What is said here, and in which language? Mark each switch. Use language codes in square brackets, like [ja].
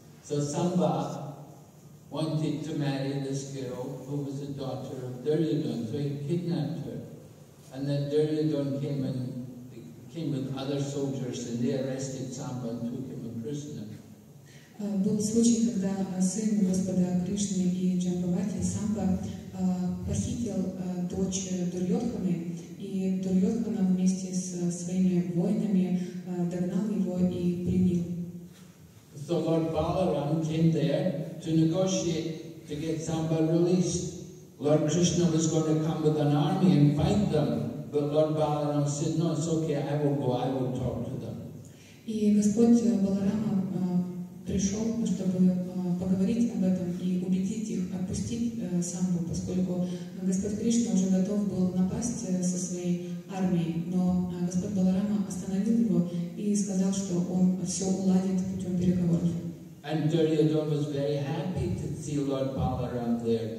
[en] So Самба wanted to marry this girl who was the daughter of Duryodhana. So he kidnapped her. And then Duryodhana came with other soldiers and they arrested Самба and took him a prisoner. [ru] Был случай, когда сын Господа Кришны и Джамбавати, Самба, похитил дочь Дурьодханы, и Дурьодхана вместе со своими воинами догнал его и пленил. [en] So Lord Balaram came there to negotiate to get Samba released. Lord Krishna was going to come with an army and fight them, but Lord Balaram said, no, it's okay, I will go, I will talk to them. [ru] И Господь Баларама пришел, чтобы поговорить об этом и убедить их отпустить Самбу, поскольку Господь Кришна уже готов был напасть со своей армией, но Господь Баларама остановил его и сказал, что он все уладит путем переговоров. [en] And Duryodhana was very happy to see Lord Balaram there.